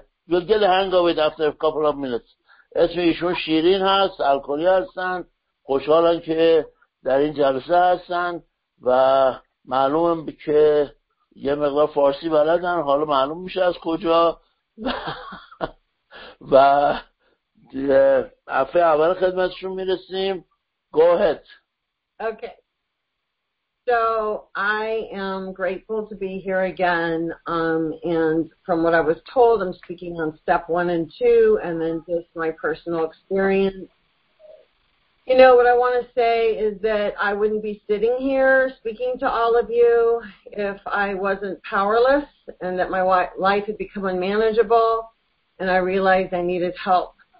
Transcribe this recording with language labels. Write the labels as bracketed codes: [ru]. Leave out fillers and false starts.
[en] We'll get the hang of it after a couple of minutes. [fa] اسم ایشون شیرین هست، الکلی هستن، خوشحالن که در این جلسه هستن و معلومم که یه مقدار فارسی بلدن، حالا معلوم میشه از کجا و عفه اول خدمتشون میرسیم. [en] Go ahead. Okay. So I am grateful to be here again. And from what I was told, I'm speaking on step 1 and 2, and then just my personal experience. You know, what I want to say is that I wouldn't be sitting here speaking to all of you if I wasn't powerless and that my life had become unmanageable and I realized I needed help.